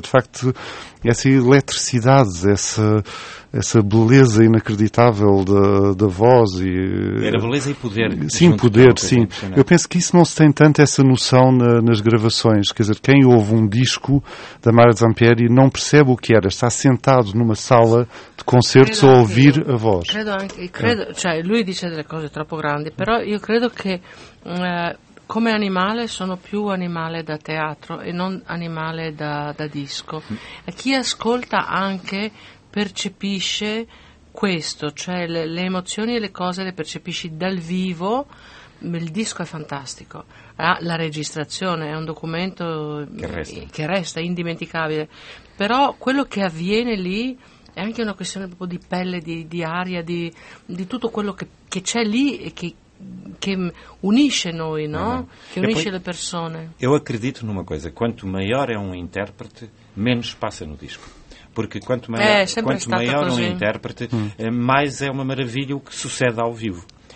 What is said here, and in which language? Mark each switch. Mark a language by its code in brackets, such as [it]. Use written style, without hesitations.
[pt] De facto, essa eletricidade, essa beleza inacreditável da voz e... Era beleza e poder. Sim, poder, sim. Eu penso que isso não se tem tanto essa noção nas gravações. Quer dizer, quem ouve um disco da Mara Zampieri não percebe o que era. Está sentado numa sala de concertos a ouvir a voz. [it] Credo anche, credo, cioè, lui dice delle cose troppo grandi, però io credo che... Come animale sono più animale da teatro e non animale da disco. Chi ascolta anche percepisce questo, cioè le emozioni e le cose le percepisci dal vivo. Il disco è fantastico, la registrazione è un documento che resta indimenticabile, però quello che avviene lì è anche una questione proprio di pelle, di aria, di tutto quello che c'è lì e che unisce noi, no? Che unisce le persone. [pt] Eu acredito numa coisa: quanto maior é um intérprete, menos passa no disco. Porque quanto maior um intérprete, mais é uma maravilha o que sucede ao vivo.